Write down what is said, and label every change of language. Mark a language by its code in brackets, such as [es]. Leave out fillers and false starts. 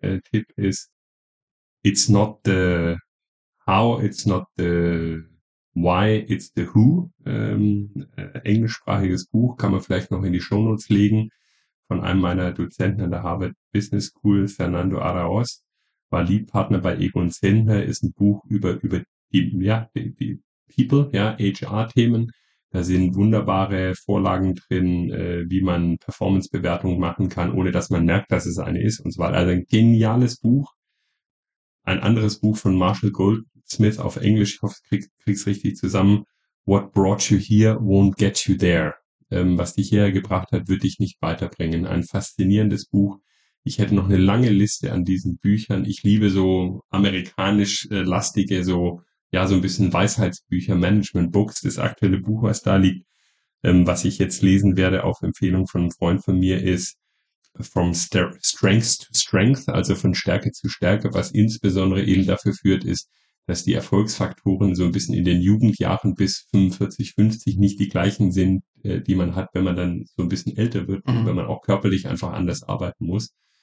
[de] Tipp ist, [en] it's not the how, it's not the why, it's the who. [de] Englischsprachiges Buch, kann man vielleicht noch in die Shownotes legen, von einem meiner Dozenten an der Harvard Business School, Fernando Araoz, war Leadpartner bei Egon Zehntner, ist ein Buch über die People, ja, HR-Themen. Da sind wunderbare Vorlagen drin, wie man Performance-Bewertungen machen kann, ohne dass man merkt, dass es eine ist. Und zwar also ein geniales Buch. Ein anderes Buch von Marshall Goldsmith auf Englisch, ich hoffe, ich krieg's richtig zusammen. [en] What brought you here won't get you there. [de] Was dich hierher gebracht hat, wird dich nicht weiterbringen. Ein faszinierendes Buch. Ich hätte noch eine lange Liste an diesen Büchern. Ich liebe so amerikanisch lastige, so, ja, so ein bisschen Weisheitsbücher, Management Books. Das aktuelle Buch, was da liegt, was ich jetzt lesen werde auf Empfehlung von einem Freund von mir, ist From Strength to Strength, also von Stärke zu Stärke, was insbesondere eben dafür führt, ist, dass die Erfolgsfaktoren so ein bisschen in den Jugendjahren bis 45, 50 nicht die gleichen sind, die man hat, wenn man dann so ein bisschen älter wird und wenn man auch körperlich einfach anders arbeiten muss.